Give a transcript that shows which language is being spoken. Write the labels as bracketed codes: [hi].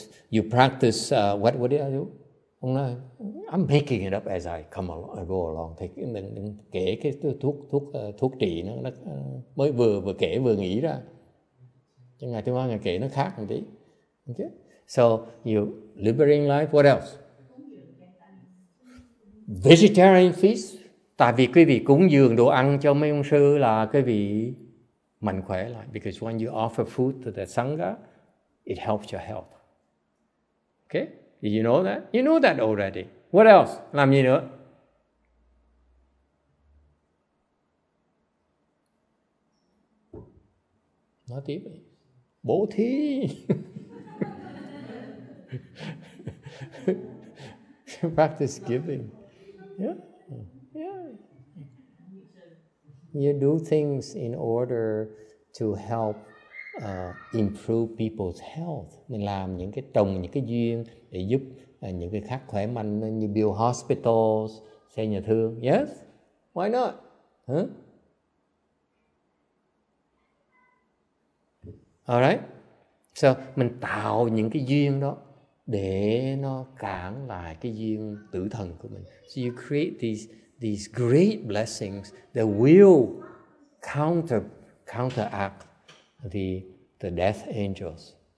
[en] You practice what did I do? I'm making it up as I go along. [vi] Kể cái thuốc trị nó mới vừa kể vừa nghĩ ra. Chứ ngày thứ ba ngày kể nó khác một tí. [en] Okay. So you liberating life. What else? Vegetarian feast. [vi] Tại vì quý vị cúng dường đồ ăn cho mấy ông sư là quý vị mạnh khỏe lại. [en] Because when you offer food to the Sangha, it helps your health. Okay? Did you know that? You know that already. What else? [vi] Làm gì nữa? Nói tiếp đi. Bố thí. [en] Practice giving. You do things in order to help improve people's health. [vi] Mình làm những cái trồng những cái duyên để giúp những cái khác khỏe mạnh như [en] build hospitals, [vi] xây nhà thương. [en] Yes? Why not? Huh? All right. [vi] So mình tạo những cái duyên đó để nó cản lại cái duyên tử thần của mình. [en] So you create these great blessings that will counteract the death angels.